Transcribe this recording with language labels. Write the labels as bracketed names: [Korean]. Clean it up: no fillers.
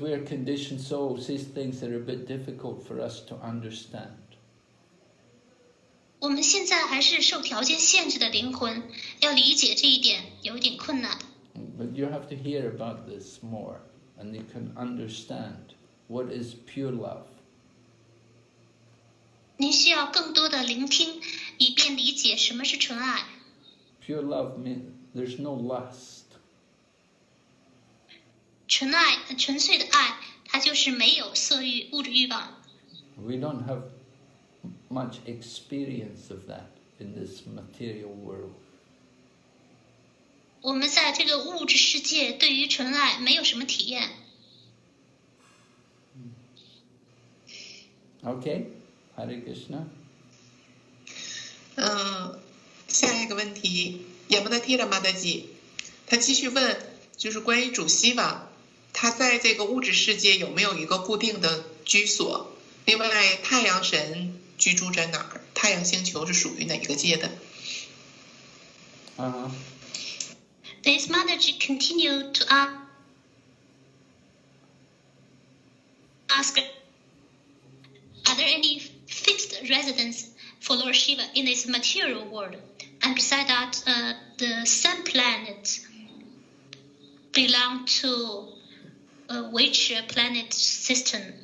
[English] we are conditioned souls, these things that are a bit difficult for us to understand. [Chinese] 我们现在还是受条件限制的灵魂，要理解这一点有点困难。 [English] But you have to hear about this more, and you can understand what is pure love. [Chinese] 您需要更多的聆听，以便理解什么是纯爱。 [English] Pure love means there's no lust. [Chinese] 纯爱，纯粹的爱，它就是没有色欲、物质欲望。 [English] We don't have much experience of that in this material world. [Chinese] 我们在这个物质世界对于纯爱没有什么体验。 [English] OK, Hare Krishna. [Chinese] 下一个问题，亚莫纳提拉玛达吉，他继续问，就是关于主希瓦，他在这个物质世界有没有一个固定的居所？另外，太阳神居住在哪儿？太阳星球是属于哪一个界的？啊。 [English] This Mataji continued to ask, are there any fixed residence for Lord Shiva in this material world? And beside that, the sun planet belong to which planet system?